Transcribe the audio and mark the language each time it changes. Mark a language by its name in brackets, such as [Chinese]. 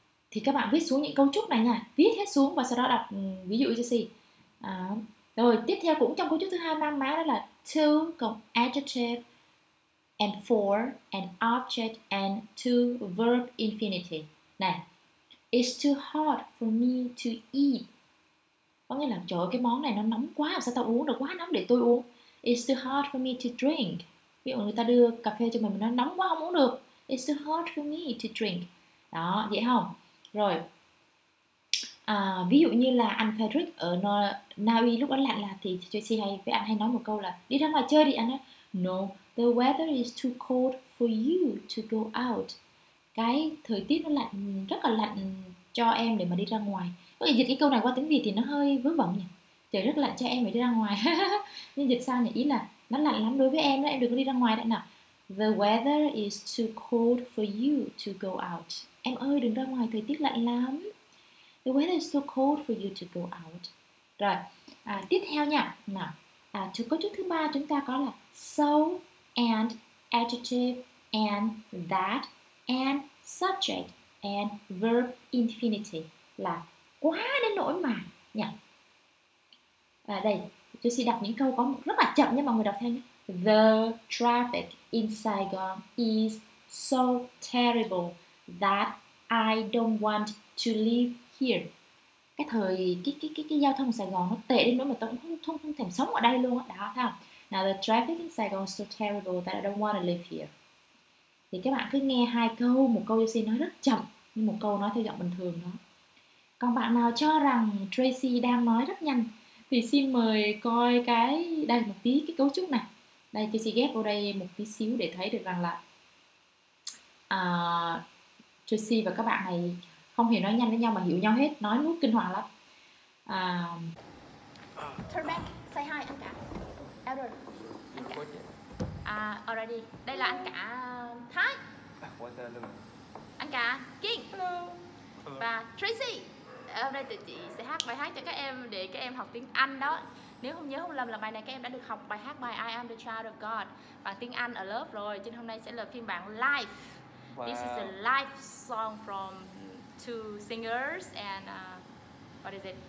[Vietnamese] Thì các bạn viết xuống những cấu trúc này nha. Viết hết xuống và sau đó đọc ví dụ cho Si. Rồi tiếp theo cũng trong cấu trúc thứ hai mang má đó là to cộng [English] adjective and for an object and to verb infinity. [Vietnamese] Này, it's too hot for me to eat. Có nghĩa là trời ơi, cái món này nó nóng quá, sao tao uống được, quá nóng để tôi uống. [English] It's too hot for me to drink. [Vietnamese] Ví dụ người ta đưa cà phê cho mình nó nóng quá không uống được. [English] It's too hot for me to drink. [Vietnamese] Đó, dễ không? Rồi. Ví dụ như là anh Frederick ở Na Uy lúc đó lạnh là thì Tracy hay với anh hay nói một câu là đi ra ngoài chơi đi anh ấy. [English] No, the weather is too cold for you to go out. [Vietnamese] Cái thời tiết nó lạnh, rất là lạnh cho em để mà đi ra ngoài. Có thể dịch cái câu này qua tiếng Việt thì nó hơi vớ vẩn nhỉ. Trời rất lạnh cho em để đi ra ngoài. Nhưng dịch sao nhỉ? Ý là nó lạnh lắm đối với em đó, em đừng có đi ra ngoài đấy nào. [English] The weather is too cold for you to go out. [Vietnamese] Em ơi đừng ra ngoài, thời tiết lạnh lắm. [English] The weather is too cold for you to go out. [Vietnamese] Rồi, tiếp theo nha. Nào, có chút thứ ba chúng ta có là [English] so and adjective and that and subject and verb infinity. [Vietnamese] Là quá đến nỗi mà nha. Đây, tôi sẽ đọc những câu có rất là chậm nha, mọi người đọc theo nhé. [English] The traffic in Saigon is so terrible that I don't want to leave. [Vietnamese] cái thời cái giao thông Sài Gòn nó tệ đến nỗi mà tao không thèm sống ở đây luôn á. Đó, thấy không? [English] Now the traffic in Saigon is so terrible that I don't want to live here. [Vietnamese] Thì các bạn cứ nghe hai câu, một câu Jessie nói rất chậm, nhưng một câu nói theo giọng bình thường đó. Còn bạn nào cho rằng Tracy đang nói rất nhanh thì xin mời coi cái đây một tí cái cấu trúc này. Đây, Tracy ghép vào đây một tí xíu để thấy được rằng là Tracy và các bạn này không hiểu nói nhanh với nhau mà hiểu nhau hết, nói nuốt kinh hoàng lắm. [English] Turn back, say hi anh cả. Elder, anh cả. Already, [Vietnamese] đây là anh cả Thái. Anh cả King. [English] Hello. [Vietnamese] Và Tracy. Hôm nay tụi chị sẽ hát bài hát cho các em để các em học tiếng Anh đó. Nếu không nhớ không lầm là bài này các em đã được học bài hát bài I am the child of God bằng tiếng Anh ở lớp rồi. Cho nên hôm nay sẽ là phiên bản live. [English] Wow. This is a live song from two singers and what is it?